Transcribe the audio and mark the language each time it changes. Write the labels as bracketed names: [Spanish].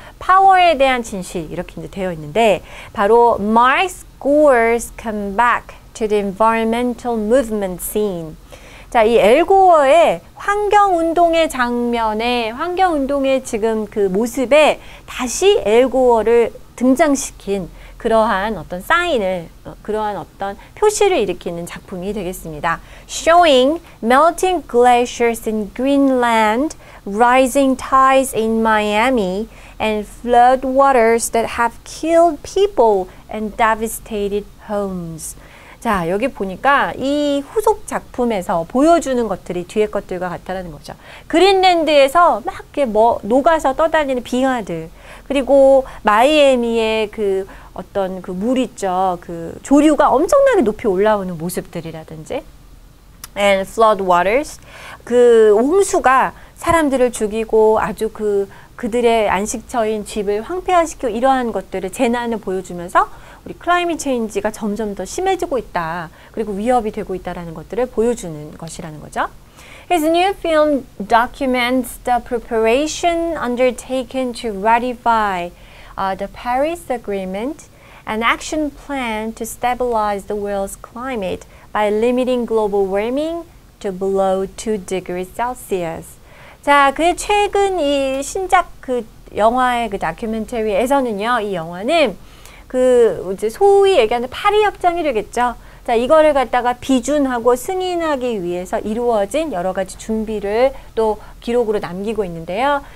[Korean] 파워에 대한 진실 이렇게 이제 되어 있는데 바로 Mark Gore's Comeback to the Environmental Movement Scene. 자, 이 엘 고어의 환경운동의 장면에 환경운동의 지금 그 모습에 다시 엘 고어를 등장시킨 그러한 어떤 사인을, 그러한 어떤 표시를 일으키는 작품이 되겠습니다. [English] Showing melting glaciers in Greenland, rising tides in Miami, and floodwaters that have killed people and devastated homes. [Korean] 자, 여기 보니까 이 후속 작품에서 보여주는 것들이 뒤에 것들과 같다라는 거죠. 그린랜드에서 막 이렇게 뭐 녹아서 떠다니는 빙하들, 그리고 마이애미의 그 어떤 그 물 있죠. 그 조류가 엄청나게 높이 올라오는 모습들이라든지 [English] and flood waters [Korean] 그 홍수가 사람들을 죽이고 아주 그들의 안식처인 집을 황폐화시키고 이러한 것들을 재난을 보여주면서 우리 climate change가 점점 더 심해지고 있다. 그리고 위협이 되고 있다라는 것들을 보여주는 것이라는 거죠. [English] His new film documents the preparation undertaken to ratify the Paris Agreement, an action plan to stabilize the world's climate by limiting global warming to below 2 degrees Celsius. [Korean] 자, 그 최근 이 신작 그 영화의 그 다큐멘터리에서는요, 이 영화는 그 이제 소위 얘기하는 파리 협정이 되겠죠. 자, 이거를 갖다가 비준하고 승인하기 위해서 이루어진 여러 가지 준비를 또 기록으로 남기고 있는데요.